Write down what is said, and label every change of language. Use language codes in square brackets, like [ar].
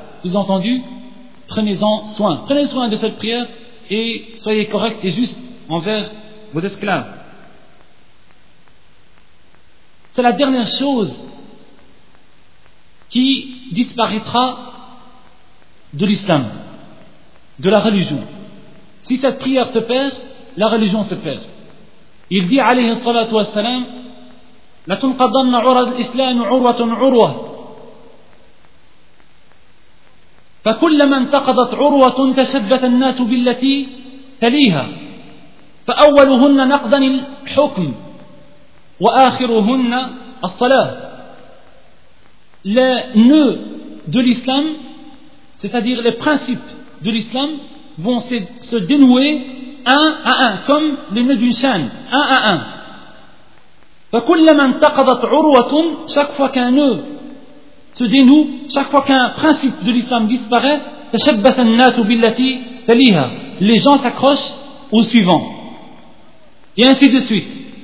[fr] Vous entendu, prenez-en soin, prenez soin de cette prière et soyez corrects et justes envers vos esclaves. C'est la dernière chose qui disparaîtra de l'islam, de la religion. Si cette prière se perd, la religion se perd. [ar] Il dit alayhi salatu wassalam, latunqadanna urwa al-islam urwatun urwa, فكلما انتقضت عروة تشبث الناس بالتي تليها فأولهن نقضا الحكم وآخرهن الصلاة. [fr] Les nœuds de l'islam, c'est-à-dire les principes de l'islam, vont se dénouer un à un, comme les nœuds d'une chaîne, un à un. [ar] فكلما انتقضت عروة, [fr] chaque fois qu'un nœud se dénoue, chaque fois qu'un principe de l'islam disparaît, [ar] تشبث الناس بالتي تليها, [fr] les gens s'accrochent au suivant. Et ainsi de suite.